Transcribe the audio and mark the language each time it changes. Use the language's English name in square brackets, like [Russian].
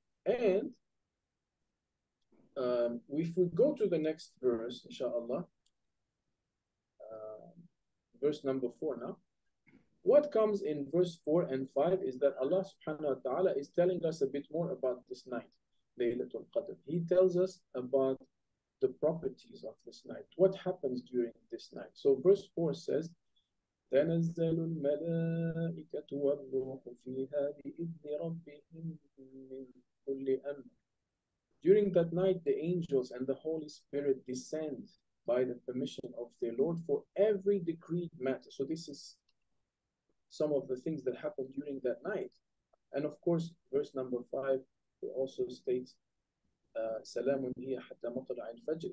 [English] And if we go to the next verse, inshallah, verse number 4 now, what comes in verse 4 and 5 is that Allah subhanahu wa ta'ala is telling us a bit more about this night, Laylatul Qadr. He tells us about the properties of this night. What happens during this night? So verse 4 says, [Arabic] تَنَزَّلُ الْمَلَائِكَةُ وَالْرُوحُ فِيهَا بِإِذْنِ رَبِّهِمْ مِنْ كُلِّ أَمْرٍ. [English] During that night, the angels and the Holy Spirit descend by the permission of their Lord for every decreed matter. So this is some of the things that happened during that night. And of course, verse number 5 also states, [Arabic] سَلَامٌ هِيَ حَتَّى مَطَلَعِ الْفَجْرِ.